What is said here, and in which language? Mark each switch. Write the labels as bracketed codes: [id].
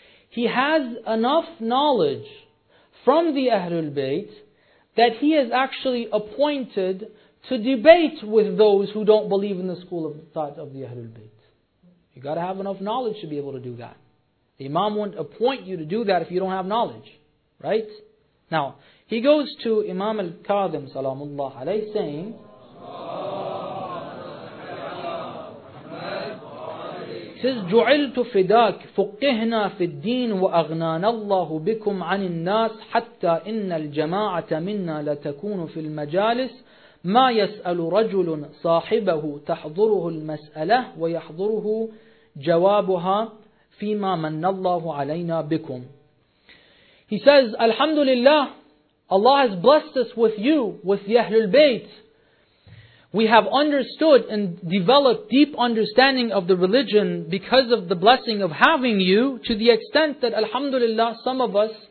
[en] He has enough knowledge from the Ahlul Bayt that he is actually appointed to debate with those who don't believe in the school of thought of the Ahlul Bayt. You got to have enough knowledge to be able to do that. The imam won't appoint you to do that if you don't have knowledge, right? Now, he goes to Imam al-Kadhim, salamullah alayhi, saying, says, [ar] جُعِلْتُ فِدَاكِ فُقِّهْنَا فِي الدِّينِ وَأَغْنَانَ اللَّهُ بِكُمْ عَنِ النَّاسِ حَتَّى إِنَّ الْجَمَاعَةَ مِنَّا لَتَكُونُ فِي الْمَجَالِسِ مَا يَسْأَلُ رَجُلٌ صَاحِبَهُ تَحْضُرُهُ الْمَسْأَلَةُ وَيَحْضُرُهُ جَوَابُهَا فِيمَا مَنَّ اللَّهُ عَلَيْنَا بِكُمْ. [en] He says, Alhamdulillah, Allah has blessed us with you, with the Ahlul Bayt. We have understood and developed deep understanding of the religion because of the blessing of having you, to the extent that Alhamdulillah, some of us